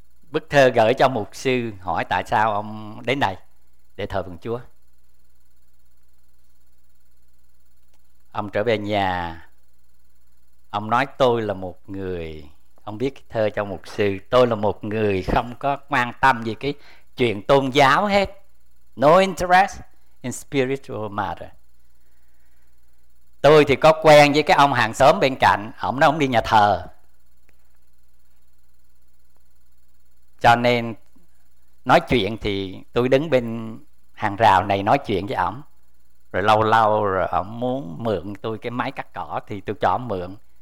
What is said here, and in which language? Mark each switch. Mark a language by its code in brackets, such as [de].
[vi] Bức thơ gửi cho mục sư hỏi tại sao ông đến đây để thờ phượng Chúa. Ông trở về nhà, ông nói tôi là một người, ông viết thơ cho mục sư, tôi là một người không có quan tâm gì cái chuyện tôn giáo hết. [en] No interest in spiritual matter. [vi] Tôi thì có quen với cái ông hàng xóm bên cạnh, ông nói ông đi nhà thờ. Cho nên nói chuyện thì tôi đứng bên hàng rào này nói chuyện với ổng. Rồi lâu lâu rồi ổng muốn mượn tôi cái máy cắt cỏ thì tôi cho ổng mượn.